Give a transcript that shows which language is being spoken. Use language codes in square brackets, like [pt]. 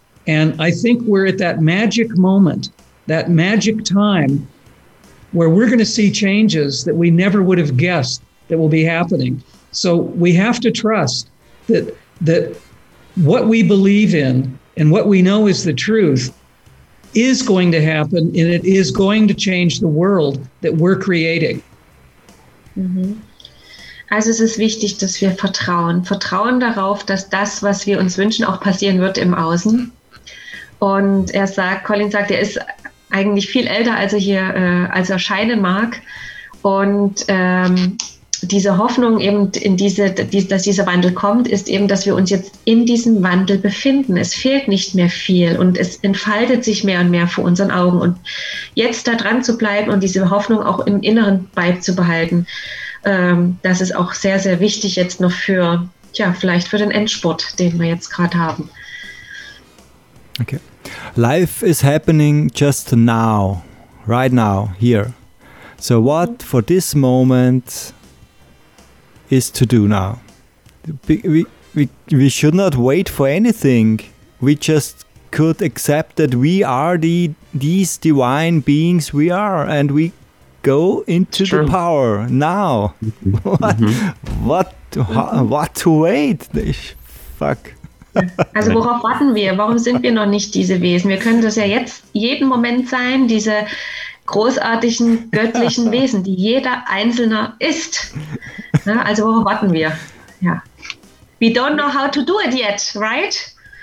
[en] And I think we're at that magic moment, that magic time, where we're going to see changes that we never would have guessed that will be happening. So we have to trust that what we believe in and what we know is the truth is going to happen, and it is going to change the world that we're creating. Mm-hmm. [de] Also es ist wichtig, dass wir vertrauen darauf, dass das, was wir uns wünschen, auch passieren wird im Außen. Und Colin sagt, er ist eigentlich viel älter, als er scheinen mag. Und diese Hoffnung eben, dass dieser Wandel kommt, ist eben, dass wir uns jetzt in diesem Wandel befinden. Es fehlt nicht mehr viel und es entfaltet sich mehr und mehr vor unseren Augen. Und jetzt da dran zu bleiben und diese Hoffnung auch im Inneren beizubehalten, das ist auch sehr, sehr wichtig jetzt noch für, vielleicht für den Endspurt, den wir jetzt gerade haben. [en] Okay. Life is happening just now, right now, here. So what for this moment is to do now? We should not wait for anything. We just could accept that we are these divine beings we are, and we go into the power now. What to wait? Fuck. [de] Also worauf warten wir? Warum sind wir noch nicht diese Wesen? Wir können das ja jetzt jeden Moment sein, diese großartigen, göttlichen Wesen, die jeder Einzelne ist. Ja, also worauf warten wir? Ja. [en] We don't know how to do it yet, right?